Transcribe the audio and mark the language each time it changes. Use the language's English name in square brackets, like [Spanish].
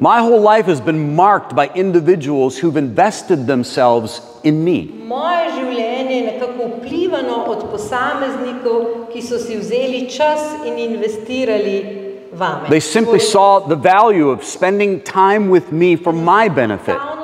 [English] My whole life has been marked by individuals who've invested themselves in me. [Slovenian] Moje življenje je nekako vplivano od posameznikov, ki so si vzeli čas in investirali. [English] They simply saw the value of spending time with me for my benefit.